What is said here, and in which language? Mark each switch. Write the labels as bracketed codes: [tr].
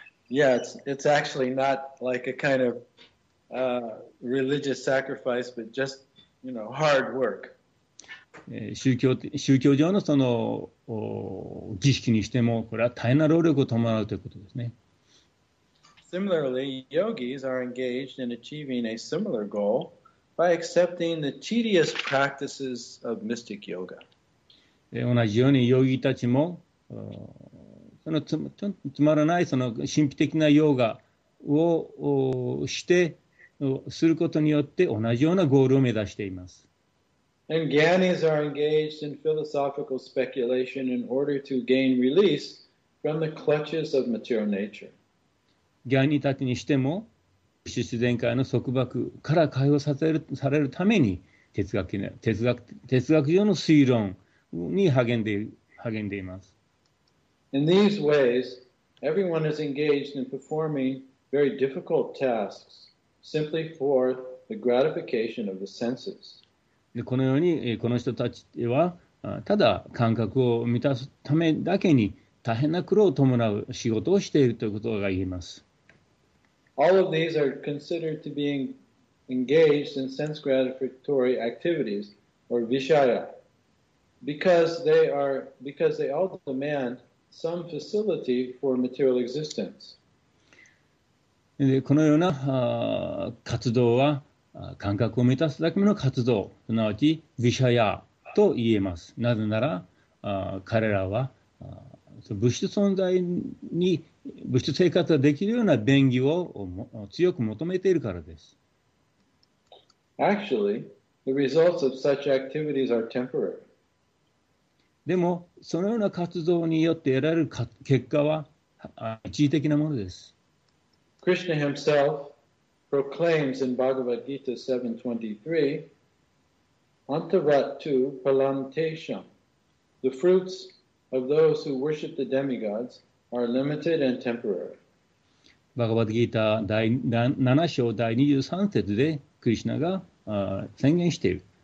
[en] Yeah, it's actually not like a kind of religious sacrifice, but just, you know, hard work. [ja] 宗教上のその儀式にしても、これは大変な労力を伴うということですね。 [en] Similarly, yogis are engaged in achieving a similar goal by accepting the tedious practices of mystic yoga. [ja] 同じようにヨギたちもそのつまらないその神秘的なヨガをしてすることによって同じようなゴールを目指しています。 [en] And Gyanis are engaged in philosophical speculation in order to gain release from the clutches of material nature. [ja] ギャニたちにしても自然界の束縛から解放されるために哲学上の推論に励んでいます。 [en] In these ways, everyone is engaged in performing very difficult tasks simply for the gratification of the senses. [ja] このように、この人たちは、ただ感覚を満たすためだけに大変な苦労を伴う仕事をしているということが言えます。 [en] All of these are considered to be engaged in sense gratificatory activities or vishaya because they all demand some facility for material existence. [ja] でこのような活動は感覚を満たすだけの活動、すなわちヴィシャヤと言えます。なぜなら彼らは物質存在に物質生活ができるような便宜を強く求めているからです。 [en] Actually, the results of such activities are temporary. [ja] でもそのような活動によって得られる結果は一時的なものです。 [en] Krishna himself proclaims in Bhagavad Gita 7:23, [sa] Antavattu Palantesham, [en] the fruits of those who worship the demigods are limited and temporary. [ja] Bhagavad Gita 7 章第23節で Krishna が宣言している。